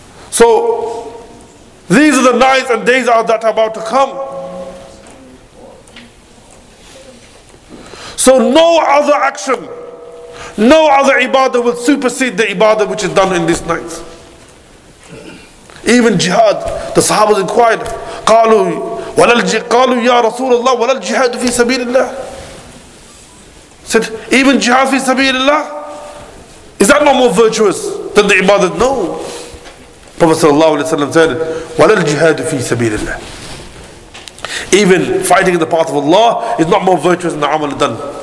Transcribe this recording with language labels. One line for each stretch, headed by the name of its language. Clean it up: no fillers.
English: So these are the nights and days that are about to come. So no other action, no other ibadah will supersede the ibadah which is done in these nights. Even jihad, the sahabas inquired,
Arabic: قالوا يا رسول الله ولا الجهاد في سبيل الله.
English: Said, even jihad
Arabic: في سبيل الله,
English: is that not more virtuous than the ibadah? No. Prophet sallallahu alayhi wa sallam said,
Arabic: ولا الجهاد في سبيل الله.
English: Even fighting in the path of Allah is not more virtuous than the amal done.